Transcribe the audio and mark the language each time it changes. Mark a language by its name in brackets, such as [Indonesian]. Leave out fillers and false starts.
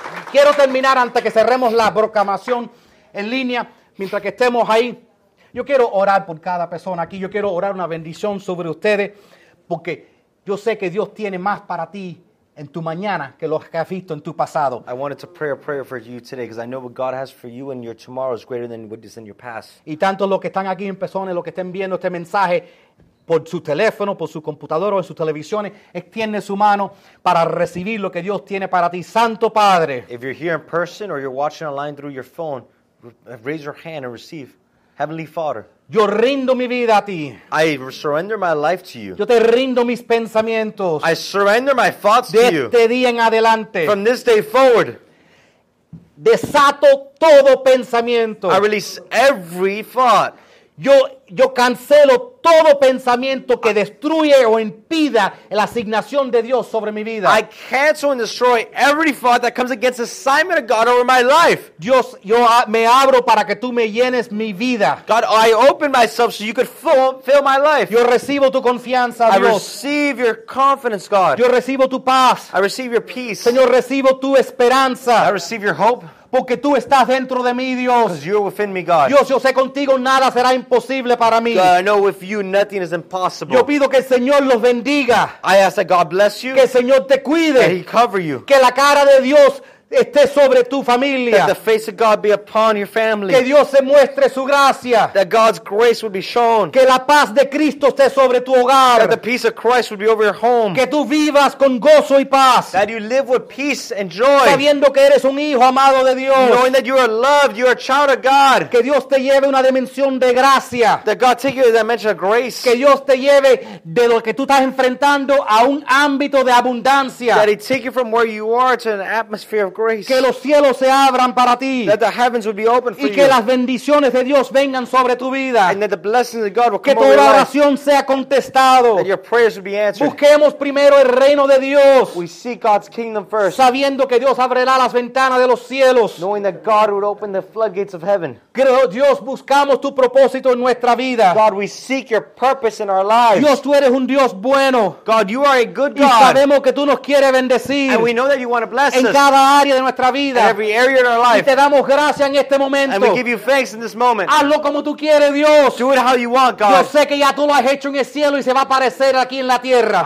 [Spanish] Quiero terminar antes que cerremos la proclamación en línea, mientras que estemos ahí. Yo quiero orar por cada persona aquí. Yo quiero orar una bendición sobre ustedes, porque yo sé que Dios tiene más para ti en tu mañana que lo que has visto en tu pasado. [English] I wanted to pray a prayer for you today, because I know what God has for you and your tomorrow is greater than what is in your past. [Spanish] Y tanto los que están aquí en persona, los que estén viendo este mensaje por su teléfono, por su computadora o en sus televisiones, extiende su mano para recibir lo que Dios tiene para ti, Santo Padre. [English] If you're here in person or you're watching online through your phone, raise your hand and receive. Heavenly Father, [Spanish] yo rindo mi vida a ti. [English] I surrender my life to you. [Spanish] Yo te rindo mis pensamientos. [English] I surrender my thoughts [Spanish] de [English] to you. [Spanish] De este día en adelante. [English] From this day forward. [Spanish] Desato todo pensamiento. [English] I release every thought. [Spanish] Yo cancelo todo pensamiento que destruye o impida la asignación de Dios sobre mi vida. [English] I cancel and destroy every thought that comes against the assignment of God over my life. [Spanish] Dios, yo me abro para que tú me llenes mi vida. [English] God, I open myself so you could fill my life. [Spanish] Yo recibo tu confianza, Dios. [English] I receive your confidence, God. [Spanish] Yo recibo tu paz. [English] I receive your peace. [Spanish] Señor, recibo tu esperanza. [English] I receive your hope. [Spanish] Porque tú estás dentro de mí, Dios. [English] Because you're within me, God. [Spanish] Dios, yo sé contigo, nada será imposible para mí. [English] God, I know with you, nothing is impossible. [Spanish] Yo pido que el Señor los bendiga. [English] I ask that God bless you. [Spanish] Que el Señor te cuide. [English] That he cover you. [Spanish] Que la cara de Dios esté sobre tu familia. [English] That the face of God be upon your family. [Spanish] Que Dios se muestre su gracia. [English] That God's grace would be shown. [Spanish] Que la paz de Cristo esté sobre tu hogar. [English] That the peace of Christ would be over your home. [Spanish] Que tú vivas con gozo y paz. [English] That you live with peace and joy. [Spanish] Sabiendo que eres un hijo amado de Dios. [English] Knowing that you are loved, you are a child of God. [Spanish] Que Dios te lleve una dimensión de gracia. [English] That God take you to a dimension of grace. [Spanish] Que Dios te lleve de lo que tú estás enfrentando a un ámbito de abundancia. [English] That he take you from where you are to an atmosphere of grace. [Spanish] Que los cielos se abran para ti. [English] That the heavens would be open for [Spanish] y que [English] you. [Spanish] Las bendiciones de Dios vengan sobre tu vida. [English] And that the blessings of God will [Spanish] que [English] come over [Spanish] que tu oración sea contestado. [English] That your prayers would be answered. [Spanish] Busquemos primero el reino de Dios. [English] We seek God's kingdom first. [Spanish] Sabiendo que Dios abrirá las ventanas de los cielos. [English] Knowing that God would open the floodgates of heaven. [Spanish] Dios, buscamos tu propósito en nuestra vida. [English] God, we seek your purpose in our lives. [Spanish] Dios, tú eres un Dios bueno. [English] God, you are a good God. [Spanish] Y sabemos que tú nos quieres bendecir. [English] And we know that you want to bless [Spanish] en [English] us. [Spanish] En cada área de nuestra vida. [English] In every area of our life. [Spanish] Y te damos gracias en este momento. [English] And we give you thanks in this moment. [Spanish] Hazlo como tú quieres, Dios. [English] Do it how you want, God. [Spanish] Yo sé que ya tú lo has hecho en el cielo y se va a aparecer aquí en la tierra.